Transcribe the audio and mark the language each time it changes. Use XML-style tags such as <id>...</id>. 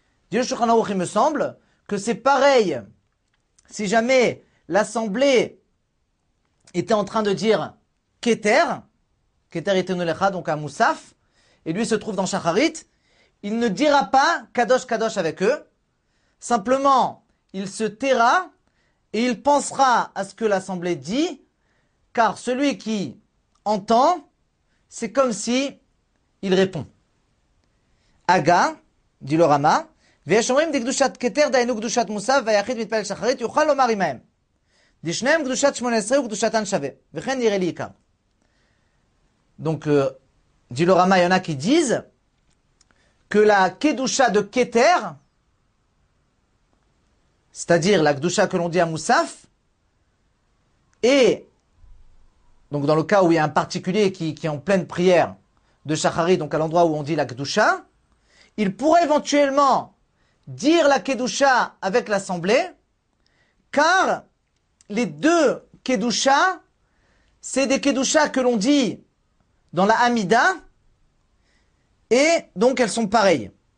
<fr>Dieu Shulchan Aruch, il me semble que c'est pareil si jamais l'assemblée était en train de dire Keter était Nolecha, donc à Moussaf, et lui se trouve dans Shacharit, il ne dira pas Kadosh Kadosh avec eux, simplement il se taira et il pensera à ce que l'assemblée dit, car celui qui entend, c'est comme si il répond.</fr> <he>Aga,</he> <fr>dit le Rama,</fr> <he>ויש אומרים דקדושת קטר דיינו קדושת מוסף והיחיד מתפלל שחרית יוכל לומר עמהם. דשניהם קדושת 18 וקדושתן שווה. וכן נראה לי עיקר.</he> <fr>Donc, dit le Rama, il y en a qui disent que la kedusha de Keter, c'est-à-dire la kedusha que l'on dit à Moussaf, et donc dans le cas où il y a un particulier qui est en pleine prière de Shacharit, donc à l'endroit où on dit la kedusha, il pourrait éventuellement dire la Kedusha avec l'assemblée, car les deux Kedusha, c'est des Kedusha que l'on dit dans la Amida, et donc elles sont pareilles.</fr>